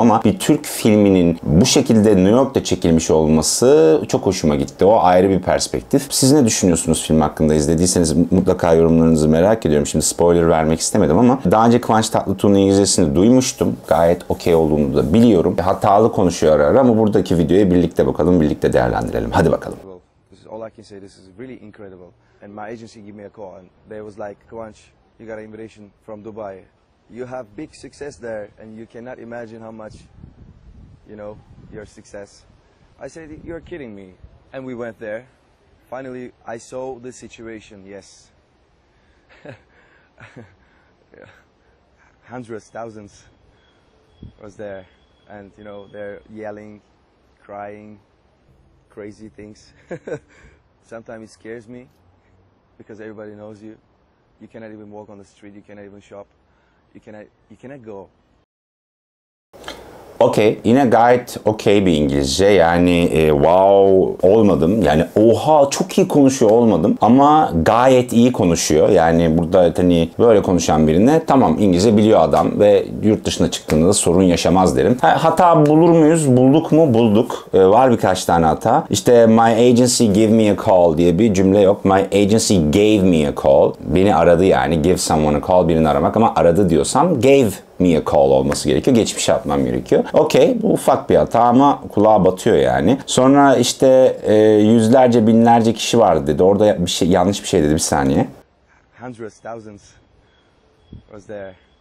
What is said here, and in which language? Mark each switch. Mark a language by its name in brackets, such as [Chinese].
[Turkish] Ama bir Türk filminin bu şekilde New York'ta çekilmiş olması çok hoşuma gitti. O ayrı bir perspektif. Siz ne düşünüyorsunuz film hakkında? İzlediyseniz mutlaka yorumlarınızı merak ediyorum. Şimdi spoiler vermek istemedim ama daha önce Kıvanç Tatlıtuğ'un İngilizcesini duymuştum. Gayet okey olduğunu da biliyorum. Hatalı konuşuyor ara ama buradaki videoya birlikte bakalım, birlikte değerlendirelim. Hadi bakalım. [English] This is all I can say, this is really incredible. And my agency gave me a call and they was like, Kıvanç, you got an invitation from Dubai. You have big success there and you cannot imagine how much, you know, your success. I said, you're kidding me. And we went there. Finally, I saw the situation, yes. hundreds, thousands was there. And, you know, they're yelling, crying, crazy things. Sometimes it scares me because everybody knows you. You cannot even walk on the street, you cannot even shop. You cannot go. [Turkish] Okay, yine gayet okay bir İngilizce. Yani wow olmadım. Yani oha çok iyi konuşuyor olmadım. Ama gayet iyi konuşuyor. Yani burada hani böyle konuşan birine tamam İngilizce biliyor adam ve yurt dışına çıktığında da sorun yaşamaz derim. Hata bulur muyuz? Bulduk mu? Bulduk. Var birkaç tane hata. İşte [English] my agency gave me a call [Turkish] diye bir cümle yok. [English] My agency gave me a call. [Turkish] Beni aradı yani. [English] Give someone a call. [Turkish] Birini aramak ama aradı diyorsam [English] gave me a call [Turkish] olması gerekiyor. Geçmişe atmam gerekiyor. Okey, bu ufak bir hata ama kulağa batıyor yani. Sonra işte yüzlerce, binlerce kişi vardı dedi. Orada bir şey yanlış bir şey dedi bir saniye. [English] Hundreds, thousands was there.